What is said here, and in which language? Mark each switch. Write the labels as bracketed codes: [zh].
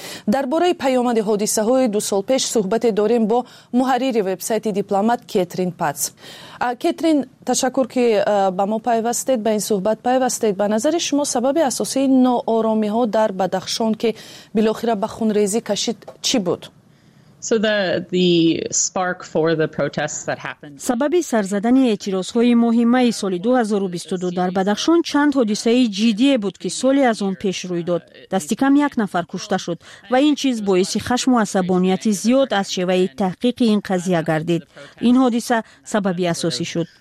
[fa] درباره پیامد حادثه های دو سال پیش صحبت داریم با محرر وبسایت دیپلمات کترین پاتس. کترین، تشکر که با ما پیوستید، با این صحبت پیوستید. به نظر شما سبب اساسی ناآرامی ها در بدخشان که بالاخره به خونریزی کشید چی بود؟ [en] So the spark for the protests that happened. [fa] سببی سرزدن اعتراض های ماه می سال 2022 در بدخشان چند حادثه جدی بود که سالی از آن پیش روی داد. دست کم یک نفر کشته شد و این چیز باعث خشم و عصبانیت زیاد از شیوه تحقیق این قضیه گردید. این حادثه سببی اساسی شد.